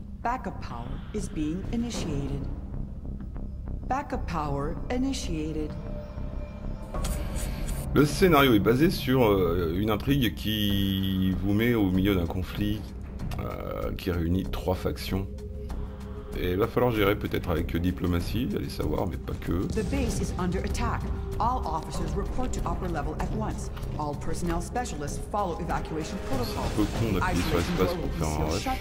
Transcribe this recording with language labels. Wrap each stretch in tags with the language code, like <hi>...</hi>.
<en>Backup power is being initiated. Backup power initiated.</en> <fr>Le scénario est basé sur une intrigue qui vous met au milieu d'un conflit qui réunit trois factions. Et il va falloir gérer peut-être avec diplomatie, allez savoir, mais pas que.</fr> <en>The base is under attack. All officers report to upper level at once. All personnel specialists follow evacuation protocol.</en> <fr>C'est un peu con d'appuyer sur l'espace pour faire un rush.</fr>